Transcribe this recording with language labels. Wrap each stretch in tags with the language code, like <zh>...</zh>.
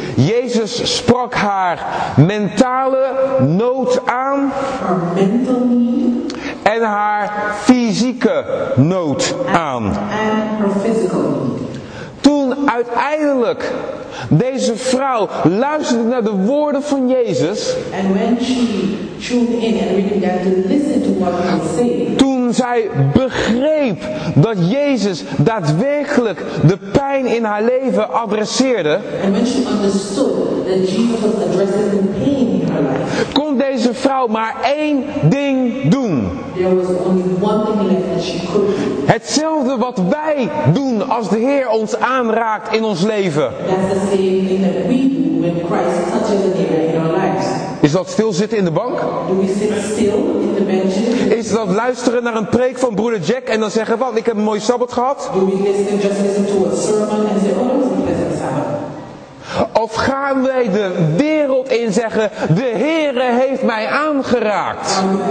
<nl>Jezus sprak haar mentale nood aan.</nl> <en>Her mental need.</en> <nl>En haar fysieke nood aan.</nl> <en>And her physical need.</en> <nl>Toen uiteindelijk deze vrouw luisterde naar de woorden van Jezus.</nl> <en>And when she tuned in and really began to listen to what he was saying.</en> <nl>Toen zij begreep dat Jezus daadwerkelijk de pijn in haar leven adresseerde.</nl> <en>And when she understood that Jesus was addressing the pain in her life.</en> <nl>Kon deze vrouw maar één ding doen.</nl> <en>There was only one thing left that she could do.</en> <nl>Hetzelfde wat wij doen als de Heer ons aanraakt in ons leven.</nl> <en>That's the same thing that we do when Christ touches the Heer in our lives.</en> <nl>Is dat stilzitten in de bank?</nl> <en>Do we sit still in the benches?</en> <nl>Is dat luisteren naar een preek van broeder Jack en dan zeggen van ik heb een mooi sabbat gehad?</nl> <en>Do we listen, just listen to a sermon and say, oh, that's a pleasant sabbat?</en> <nl>Of gaan wij de wereld in zeggen, de Heere heeft mij aangeraakt.</nl>